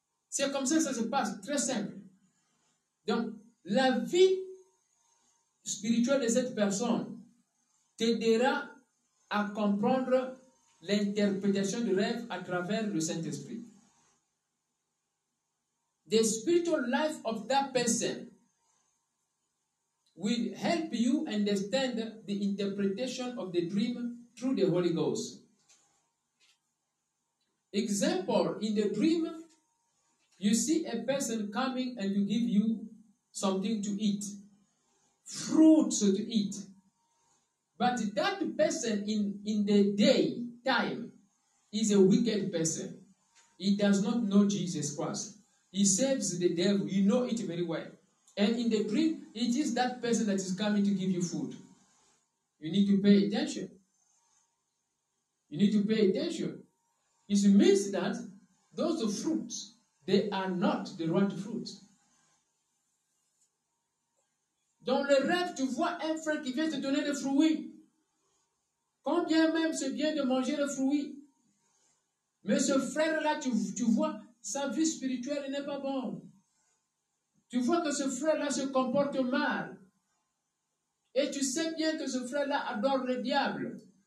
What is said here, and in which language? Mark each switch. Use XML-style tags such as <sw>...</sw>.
<fr>C'est comme ça que ça se passe, très simple. Donc, la vie spirituel de cette personne t'aidera à comprendre l'interprétation du rêve à travers le Saint-Esprit.</fr> <en>The spiritual life of that person will help you understand the interpretation of the dream through the Holy Ghost. Example, in the dream, you see a person coming and you give you something to eat. Fruits to eat. But that person in the day time is a wicked person. He does not know Jesus Christ. He serves the devil. You know it very well. And in the dream, it is that person that is coming to give you food. You need to pay attention. You need to pay attention. It means that those fruits, they are not the right fruits.</en> <fr>Dans le rêve, tu vois un frère qui vient te donner des fruits. Quand bien même se vient de manger le fruit. Mais ce frère-là, tu vois, sa vie spirituelle n'est pas bonne. Tu vois que ce frère-là se comporte mal. Et tu sais bien que ce frère-là adore le diable.</fr>